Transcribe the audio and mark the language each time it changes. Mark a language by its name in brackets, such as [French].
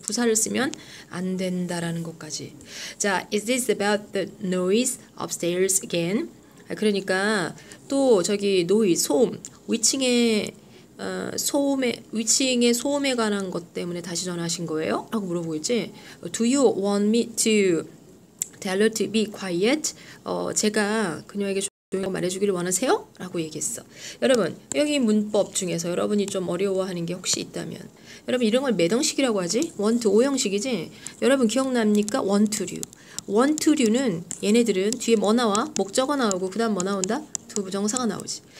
[Korean] 부사를 쓰면 안 된다라는 것까지. [English] 자, is this about the noise upstairs again? [Korean] 그러니까 또 저기 noise, 소음, 위층에 소음에 위층의 소음에 관한 것 때문에 다시 전화하신 거예요? 하고 물어보겠지. [English] Do you want me to tell her to be quiet? [Korean] 제가 그녀에게 조용히 말해주기를 원하세요? 라고 얘기했어. 여러분, 여기 문법 중에서 여러분이 좀 어려워하는 게 혹시 있다면, 여러분 이런 걸 매등식이라고 하지? 원투 오형식이지? 여러분 기억납니까? 원투류. 원투류는 얘네들은 뒤에 뭐 나와? 목적어 나오고 그다음 뭐 나온다? 두 부정사가 나오지.